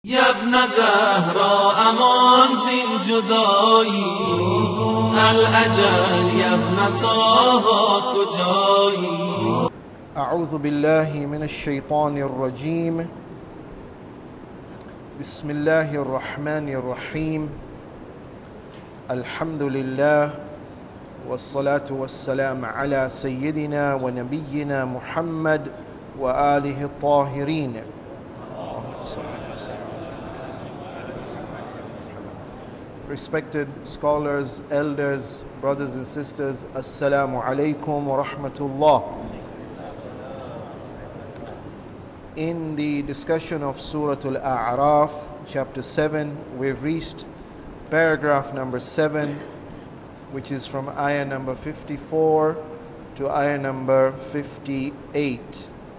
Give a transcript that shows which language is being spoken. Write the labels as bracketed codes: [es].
[fa] یبن زهرا امان زین جدایی الاجل یبن طاها کجایی. [ar] اعوذ بالله من الشیطان الرجیم، بسم الله الرحمن الرحیم، الحمد لله والصلاة والسلام على سيدنا ونبينا محمد وآله الطاهرين. [en] Respected scholars, elders, brothers and sisters, [ar] السلام عليكم ورحمة الله. [en] In the discussion of Surah Al-A'raf, chapter 7, we've reached paragraph number 7, which is from ayah number 54 to ayah number 58.